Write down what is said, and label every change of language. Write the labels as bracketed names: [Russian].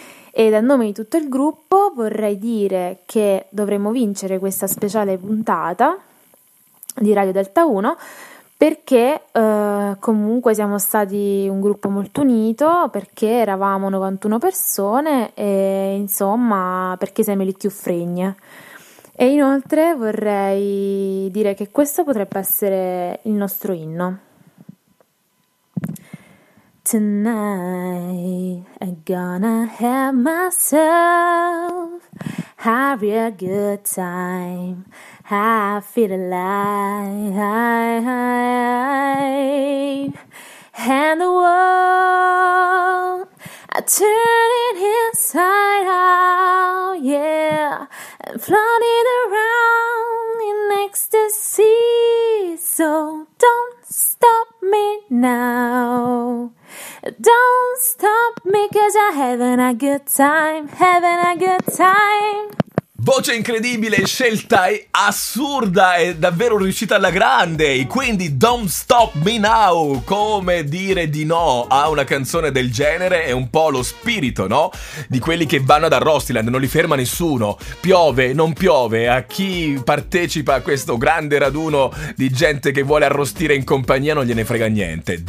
[Italian] E dal nome di tutto il gruppo vorrei dire che dovremo vincere questa speciale puntata di Radio Delta 1, perché comunque siamo stati un gruppo molto unito, perché eravamo 91 persone e insomma perché siamo lì più fregne. E inoltre vorrei dire che questo potrebbe essere il nostro inno. [English] Tonight I'm gonna have myself a real good time. I feel alive, and the world I turn it inside out, yeah, and floating around in ecstasy. So don't stop me now, don't stop me, 'cause I'm having a good time, having a good time. [Italian] Voce incredibile, scelta è assurda, è davvero riuscita alla grande. Quindi Don't Stop Me Now, come dire di no a una canzone del genere, è un po' lo spirito, no? Di quelli che vanno da Rostiland, non li ferma nessuno. Piove, non piove, a chi partecipa a questo grande raduno di gente che vuole arrostire in compagnia non gliene frega niente.